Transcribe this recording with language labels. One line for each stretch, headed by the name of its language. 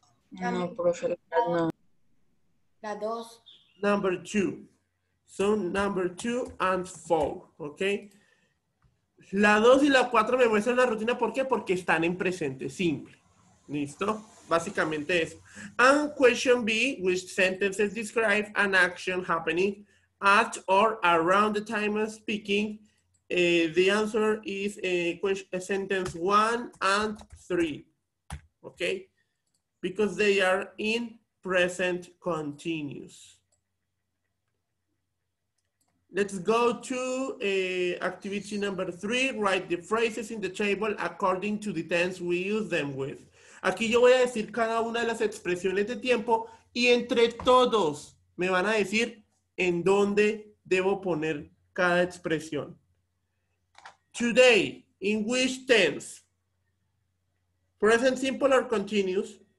Spanish: No, profe, no. La dos.
English: Number two. So, number two and four, okay?
Spanish: La dos y la cuatro me muestran la rutina, ¿por qué? Porque están en presente, simple. ¿Listo? Básicamente eso.
English: And question B, which sentences describe an action happening at or around the time of speaking? The answer is a sentence one and three. Okay? Because they are in present continuous. Let's go to activity number three. Write the phrases in the table according to the tense we use them with.
Spanish: Aquí yo voy a decir cada una de las expresiones de tiempo y entre todos me van a decir en dónde debo poner cada expresión.
English: Today, in which tense? Present simple or continuous?